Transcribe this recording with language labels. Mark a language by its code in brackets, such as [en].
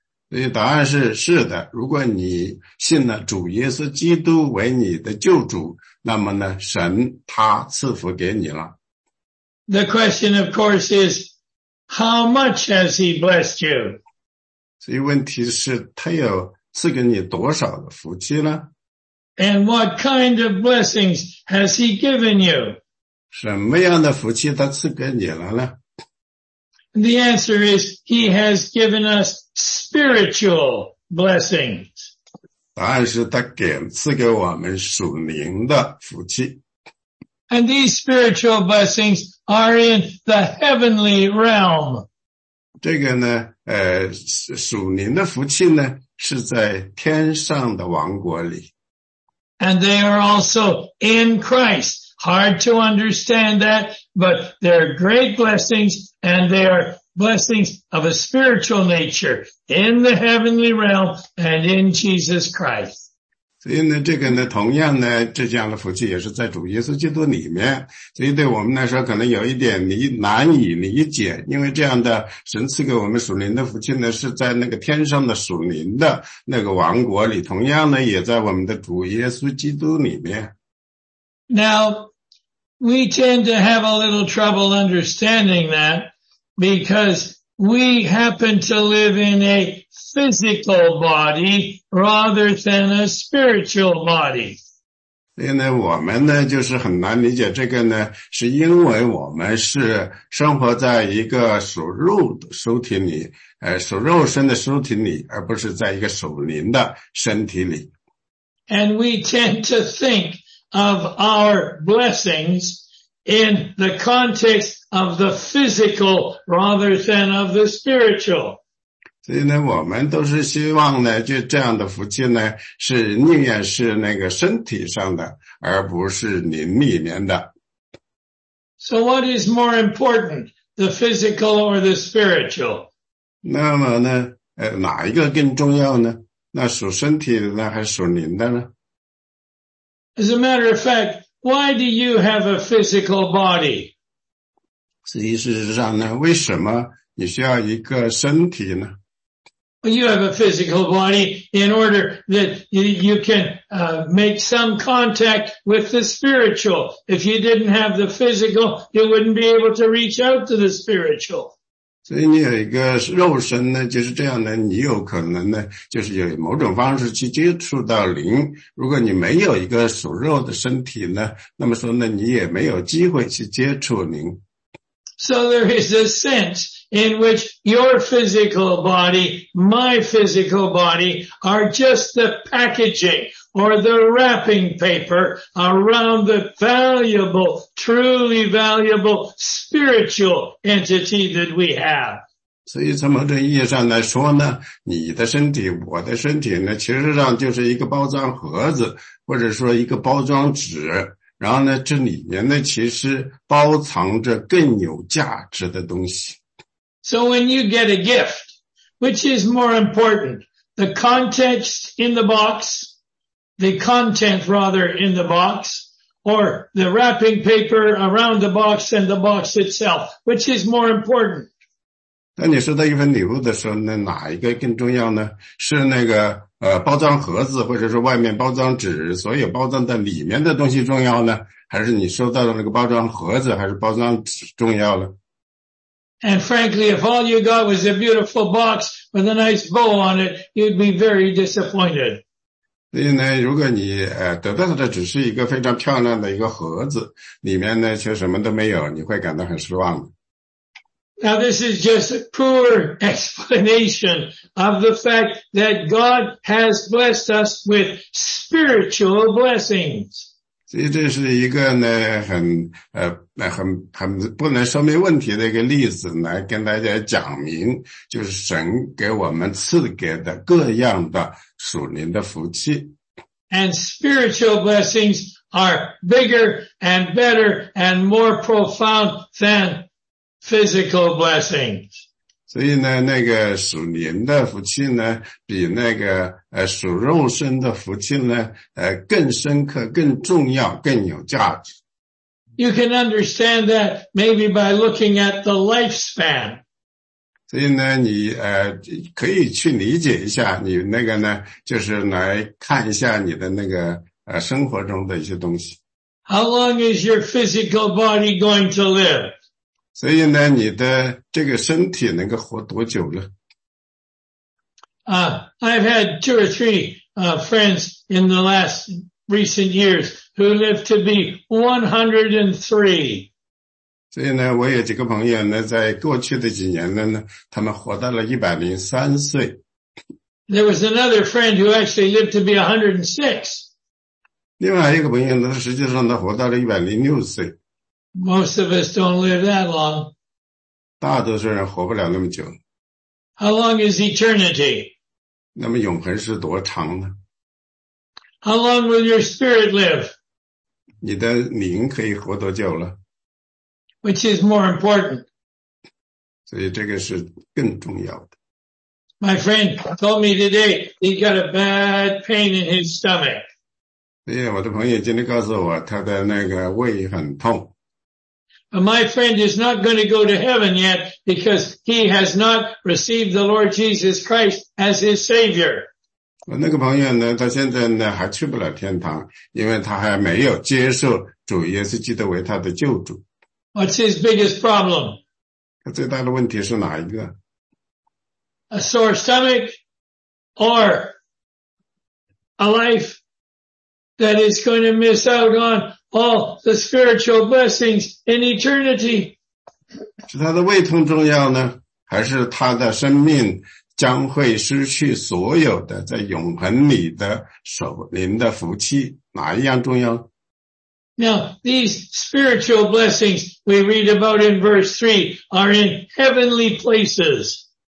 [zh] 所以答案是是的，如果你信了主耶稣基督为你的救主，那么呢神他赐福给你了。 [en] The question of course is,How much has he blessed you? [zh] 所以问题是他有赐给你多少的福气呢? [en] And what kind of blessings has he given you? [zh] 什么样的福气他赐给你了呢? [en] The answer is he has given us spiritual blessings. [zh] 答案是他赐给我们属灵的福气。 [en] And these spiritual blessings are in the heavenly realm. [zh] 这个呢，属灵的福气呢，是在天上的王国里。 [en] And they are also in Christ. Hard to understand that, but they're great blessings, and they are blessings of a spiritual nature in the heavenly realm and in Jesus Christ. [zh] 所以呢这个呢同样呢这样的福气也是在主耶稣基督里面，所以对我们来说可能有一点难以理解，因为这样的神赐给我们属灵的福气呢是在那个天上的属灵的那个王国里，同样呢也在我们的主耶稣基督里面。 [en] Now we tend to have a little trouble understanding that because we happen to live in aphysical body rather than a spiritual body. [zh] 所以呢我们呢就是很难理解这个呢，是因为我们是生活在一个属肉的身体里，属肉身的身体里，而不是在一个属灵的身体里。 [en] And we tend to think of our blessings in the context of the physical rather than of the spiritual. [zh] 所以呢，我们都是希望呢，就这样的福气呢，是宁愿是那个身体上的，而不是灵里面的。 [en] So what is more important, the physical or the spiritual? [zh] 那么呢，哪一个更重要呢？那属身体的呢，还是属灵的呢？ [en] As a matter of fact, why do you have a physical body? [zh] 所以事实上呢，为什么你需要一个身体呢？ [en] You have a physical body in order that you can make some contact with the spiritual. If you didn't have the physical, you wouldn't be able to reach out to the spiritual. [zh] 所以你有一个肉身呢，就是这样的，你有可能呢，就是有某种方式去接触到灵。如果你没有一个属肉的身体呢，那么说呢，你也没有机会去接触灵。 [en] So there is a sense in which your physical body, my physical body, are just the packaging or the wrapping paper around the valuable, truly valuable spiritual entity that we have. [zh] 所以从某种意义上来说呢，你的身体，我的身体呢，其实上就是一个包装盒子，或者说一个包装纸。然后呢，这里面呢，其实包藏着更有价值的东西。 [en] So when you get a gift, which is more important, the context in the box, the content rather in the box, or the wrapping paper around the box and the box itself, which is more important? [zh] 当你收到一份礼物的时候，那哪一个更重要呢？是那个包装盒子，或者说外面包装纸，所有包装的里面的东西重要呢？还是你收到的那个包装盒子，还是包装纸重要呢？ [en] And frankly, if all you got was a beautiful box with a nice bow on it, you'd be very disappointed. [zh] 所以呢，如果你得到的只是一个非常漂亮的一个盒子，里面呢却什么都没有，你会感到很失望。 [en] Now this is just a poor explanation of the fact that God has blessed us with spiritual blessings. [zh] 所以这是一个呢很不能说明问题的一个例子，来跟大家讲明，就是神给我们赐给的各样的属灵的福气。 [en] And spiritual blessings are bigger and better and more profound than physical blessings. [zh] 所以呢，那个属灵的福气呢，比那个属肉身的福气呢，更深刻、更重要、更有价值。 [en] You can understand that maybe by looking at the lifespan. [zh] 所以呢，你可以去理解一下，你那个呢，就是来看一下你的那个生活中的一些东西。 [en] How long is your physical body going to live? [zh] 所以呢，你的这个身体能够活多久呢？ [en] I've had two or three friends in the last recent years who lived to be 103. [zh] 所以呢，我有几个朋友呢，在过去的几年呢，他们活到了103岁。 [en] There was another friend who actually lived to be 106. [zh] 另外一个朋友呢，实际上他活到了106岁。 [en] Most of us don't live that long. [zh] 大多数人活不了那么久。 [en] How long is eternity? [zh] 那么永恒是多长呢？ [en] How long will your spirit live? [zh] 你的灵可以活多久了？ [en] Which is more important? [zh] 所以这个是更重要的。 [en] My friend told me today he got a bad pain in his stomach. [zh] 所以我的朋友今天告诉我，他的那个胃很痛。 [en] My friend is not going to go to heaven yet because he has not received the Lord Jesus Christ as his Savior. [zh] 那个朋友呢，他现在呢还去不了天堂，因为他还没有接受主耶稣基督为他的救主。 [en] What's his biggest problem? [zh] 他最大的问题是哪一个？ [en] A sore stomach or a life that is going to miss out on all the spiritual blessings in eternity. [zh] 是他的胃痛重要呢，还是他的生命将会失去所有的在永恒里的属灵的福气，哪一样重要？ [en] Now, these spiritual blessings we read about in verse 3 are in heavenly places.